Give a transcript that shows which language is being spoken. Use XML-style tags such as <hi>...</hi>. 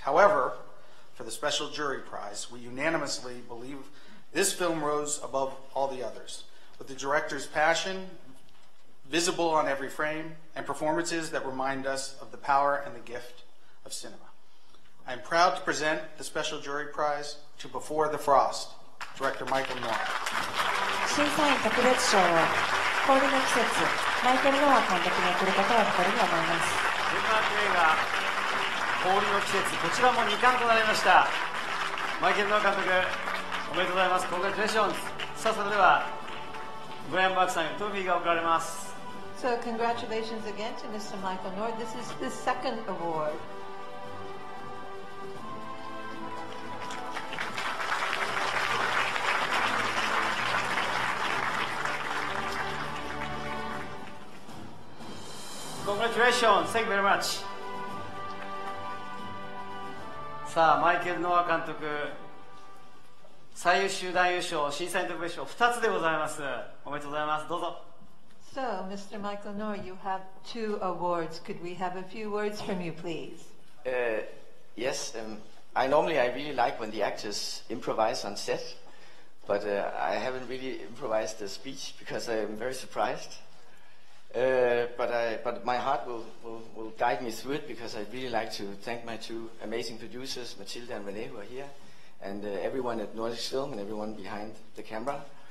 <en>However, for the special jury prize, we unanimously believe this film rose above all the others. With the director's passion visible on every frame, and performances that remind us of the power and the gift of cinema. I am proud to present the special jury prize to Before the Frost, director Michael Noor.</en> <ja>審査員特別賞は氷の季節、マイケル・ノア監督に贈ることを誇りに思います。デンマーク映画氷の季節、こちらも2冠となりました。マイケル・ノア監督、おめでとうございます。コングラチュレーション。さあ、それではブライアン・バークさんにトロフィーが贈られます。</ja> <en>So congratulations again to Mr. Michael Noor. This is the second award. Congratulations. Thank you very much.</en> <ja>さあ、マイケル・ノア監督、最優秀男優賞、審査員特別賞、2つでございます。おめでとうございます。どうぞ。</ja> <en>So, Mr. Michael Noor, you have two awards. Could we have a few words from you, please? Yes. I really like when the actors improvise on set, but I haven't really improvised the speech because I'm very surprised. But my heart will guide me through it, because I'd really like to thank my two amazing producers, Mathilde and René, who are here, and everyone at Nordic Film and everyone behind the camera.</en>